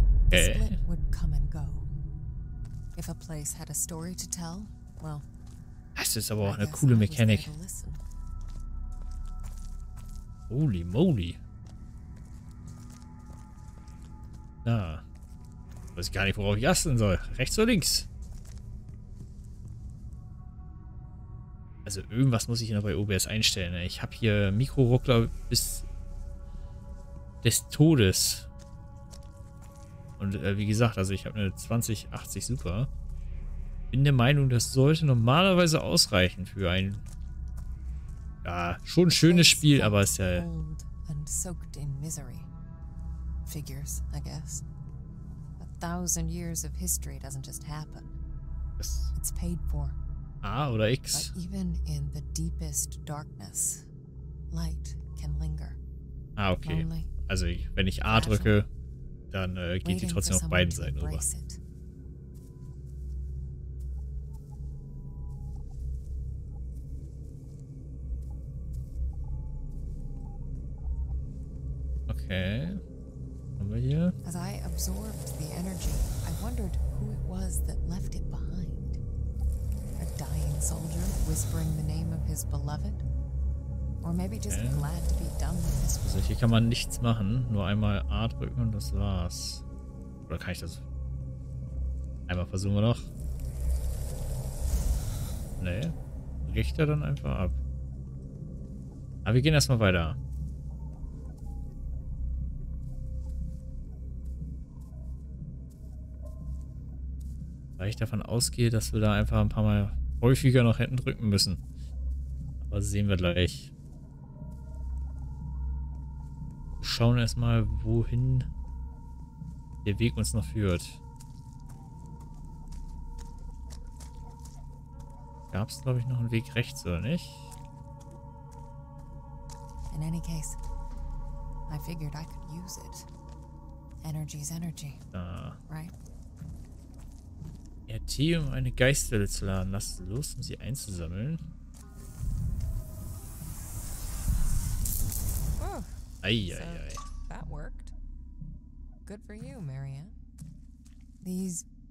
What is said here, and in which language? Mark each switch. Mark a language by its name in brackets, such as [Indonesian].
[English] The split would come and go. If a place had a story to tell, well. [German] Das ist aber auch eine coole Mechanik. [English] Holy moly. [German] Na. Weiß ich gar nicht, worauf ich achten soll. Rechts oder links? Also irgendwas muss ich noch bei OBS einstellen. Ich habe hier Mikroruckler bis des Todes. Und wie gesagt, also ich habe eine 2080 Super. Bin der Meinung, das sollte normalerweise ausreichen für ein ja, schon schönes Spiel, aber es ist ja [English] old and soaked in misery. Figures, I guess. A thousand years of history doesn't just happen. It's paid for. [German] A oder X. [English] But even in the deepest darkness, light can linger. Ah, okay. [German] Lonely, also wenn ich A casual, drücke, dann geht die trotzdem auf beiden Seiten rüber. Okay. Haben wir hier. [English] As I absorbed the energy, I wondered who it was that left it behind. Dying soldier whispering the name of his beloved, or maybe just glad to be done with this. [German] Also hier kann man nichts machen, nur einmal A drücken und das war's. Oder kann ich das? Einmal versuchen wir noch. Nee, bricht er dann einfach ab. Aber wir gehen erstmal weiter. Weil ich davon ausgehe, dass wir da einfach ein paar Mal häufiger noch hätten drücken müssen. Aber sehen wir gleich. Schauen erstmal, wohin der Weg uns noch führt. Gab es, glaube ich, noch einen Weg rechts, oder nicht? [English] In any case, I figured I could use it. Energy's energy. [German] Da. [English] Right? [German] RT, um eine Geisterle zu laden. Lass los, um sie einzusammeln. Oh, eieiei. [English] So, that worked. Good for you, Marianne. These.